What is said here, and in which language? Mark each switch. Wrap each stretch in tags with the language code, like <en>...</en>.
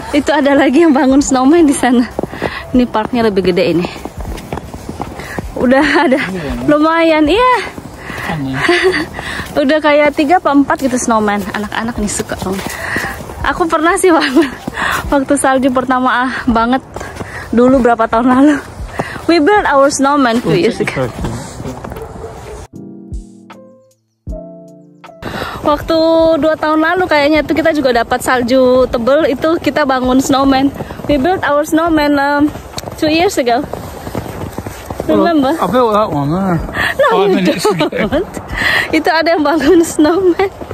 <id>Itu ada lagi yang bangun snowman di sana. Ini parknya lebih gede ini. Udah ada. Lumayan, iya. Udah kayak 3 apa 4 gitu snowman. Anak-anak nih suka. Aku pernah sih waktu salju pertama banget. Dulu berapa tahun lalu.</id> <en>We built our snowman few years ago.</en> <id>Waktu 2 tahun lalu kayaknya itu kita juga dapat salju tebel, itu kita bangun snowman.</id> <en>We built our snowman 2 years ago. Remember? Well, I built that one there. No, you don't.</en> <id>Itu ada yang bangun snowman.</id>